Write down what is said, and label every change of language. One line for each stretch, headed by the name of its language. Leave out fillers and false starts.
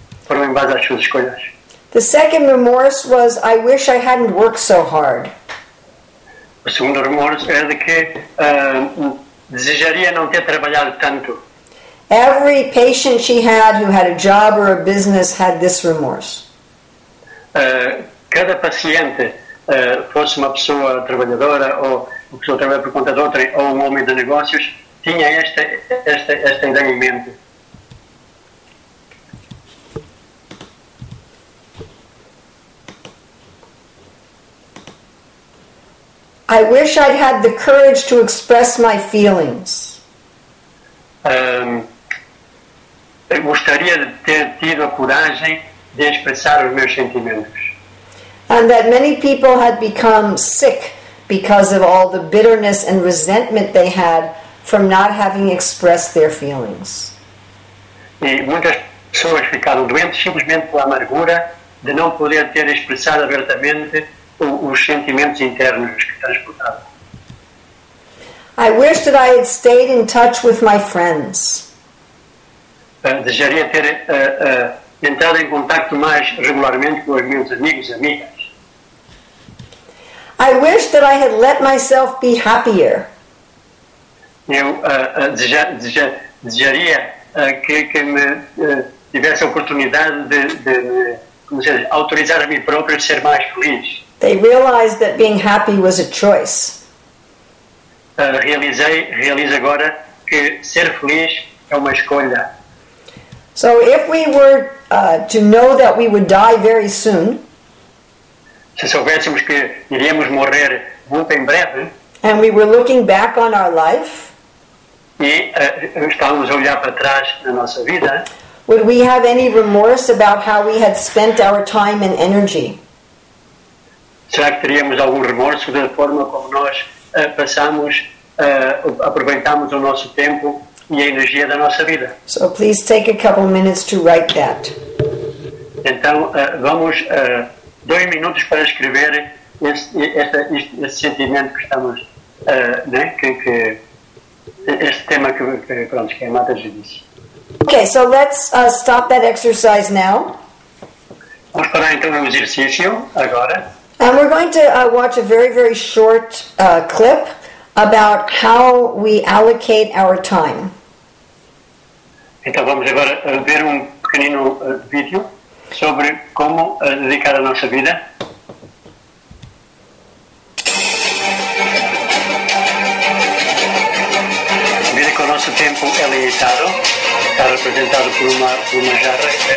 Portuguese: Foram em base às suas escolhas.
English: The second remorse was I wish I hadn't worked so hard.
Portuguese: O segundo remorso era de que desejaria não ter trabalhado tanto.
English: Every patient she had who had a job or a business had this remorse.
Portuguese: Cada paciente, fosse uma pessoa trabalhadora ou uma pessoa trabalha por conta de outra ou um homem de negócios, tinha esta ideia em mente.
English: I wish I'd had the courage to express my feelings.
Portuguese: Gostaria de ter tido a coragem de expressar os meus sentimentos.
English: And that many people had become sick because of all the bitterness and resentment they had from not having expressed their feelings.
Portuguese: E muitas pessoas ficaram doentes simplesmente pela amargura de não poder ter expressado abertamente os sentimentos internos que transportavam.
English: I wish that I had stayed in touch with my friends.
Portuguese: Desejaria ter entrado em contacto mais regularmente com os meus amigos e amigas.
English: I wish that I had let myself be happier.
Portuguese: Eu desejaria que me tivesse a oportunidade de autorizar a mim próprio a ser mais feliz.
English: They realized that being happy was a choice.
Portuguese: Realize agora que ser feliz é uma escolha.
English: So if we were to know that we would die very soon,
Portuguese: se soubéssemos que iríamos morrer muito em breve,
English: and we were looking back on our life,
Portuguese: e estávamos a olhar para trás na nossa vida,
English: would we have any remorse about how we had spent our time and energy?
Portuguese: Será que teríamos algum remorso da forma como nós passamos, aproveitamos o nosso tempo e a energia da nossa vida?
English: So please take a couple minutes to write that.
Portuguese: Então, vamos dois minutos para escrever esse sentimento que estamos, né, que este tema que a Mataji disse.
English: Okay, so let's stop that exercise now.
Portuguese: Vamos parar então no exercício agora.
English: And we're going to watch a very, very short clip about how we allocate our time.
Portuguese: Então vamos agora ver pequenino vídeo sobre como dedicar a nossa vida. Veja que o nosso tempo é limitado, está representado por uma jarra.